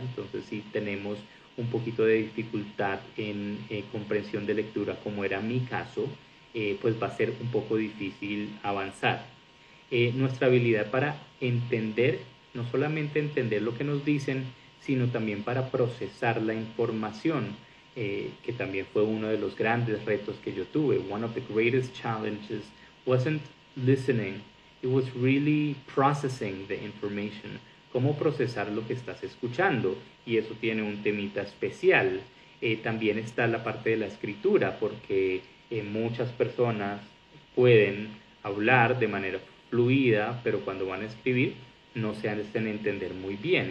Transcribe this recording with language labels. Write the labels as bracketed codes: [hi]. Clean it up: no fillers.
[es] Entonces, si tenemos un poquito de dificultad en comprensión de lectura, como era mi caso, pues va a ser un poco difícil avanzar. Nuestra habilidad para entender, no solamente entender lo que nos dicen, sino también para procesar la información. que también fue uno de los grandes retos que yo tuve. [en] One of the greatest challenges wasn't listening, it was really processing the information. [es] Cómo procesar lo que estás escuchando, y eso tiene un temita especial. También está la parte de la escritura, porque muchas personas pueden hablar de manera fluida, pero cuando van a escribir no se hacen entender muy bien.